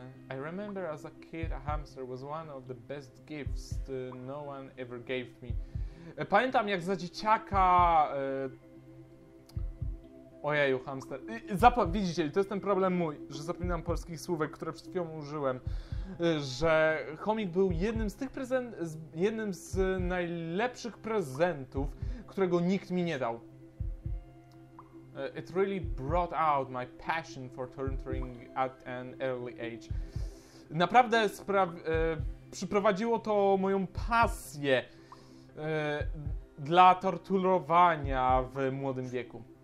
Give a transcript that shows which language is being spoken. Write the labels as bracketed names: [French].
[English] I remember as a kid a hamster was one of the best gifts no one ever gave me. [Polish] Pamiętam jak za dzieciaka... Ojeju, hamster. Widzicie, to jest ten problem mój, że zapominam polskich słówek, które przed chwilą użyłem. Że chomik był jednym z najlepszych prezentów, którego nikt mi nie dał. [English] It really brought out my passion for torturing at an early age. [Polish] Naprawdę przyprowadziło to moją pasję dla torturowania w młodym wieku.